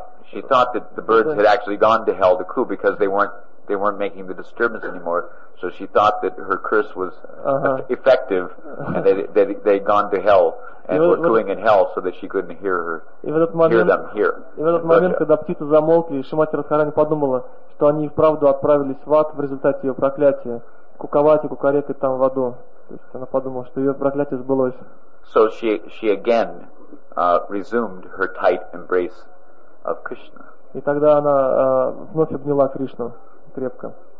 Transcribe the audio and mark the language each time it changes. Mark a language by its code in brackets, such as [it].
[en] She thought that the birds had actually gone to hell to coo because they weren't making the disturbance anymore. So she thought that her curse was effective, and that they'd gone to hell and were cooing in hell, so that she couldn't hear them here. [ru] И в этот момент, когда птицы замолкли, Шримати Радхарани подумала, что они и вправду отправились в ад в результате ее проклятия, куковать и кукарекать там в аду. То есть она подумала, что ее проклятие сбылось. [en] So she again resumed her tight embrace of Krishna. [ru] И тогда она вновь обняла Кришну крепко.